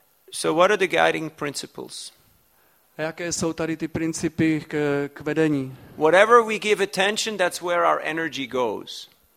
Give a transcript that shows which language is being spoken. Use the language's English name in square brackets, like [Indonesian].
[English] So what are the guiding principles? [Czech] A jaké jsou tady ty principy k vedení? [English] Whatever we give attention, that's where our energy goes.